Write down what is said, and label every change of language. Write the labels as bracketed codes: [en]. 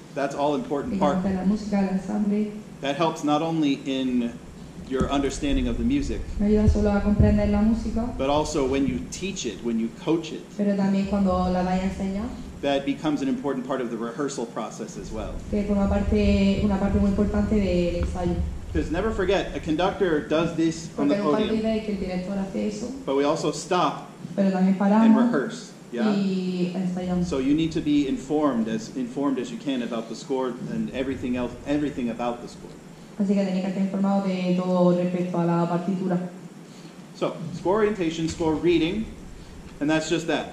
[en] That's all important part. That helps not only in your understanding of the music, but also when you teach it, when you coach it, [es] pero también cuando la vaya a enseñar, [en] that becomes an important part of the rehearsal process as well. [es] Que es una parte muy importante del ensayo. [en] Because never forget, a conductor does this [es] Porque [en] on the podium, [es] que el director hace eso, [en] but we also stop [es] pero también paramos [en] and rehearse. Yeah. [es] Y ensayamos. [en] So you need to be informed as you can about the score and everything else, everything about the score. [es] Así que tenéis que estar informado de todo respecto a la partitura. [en] So, score orientation, score reading, and that's just that.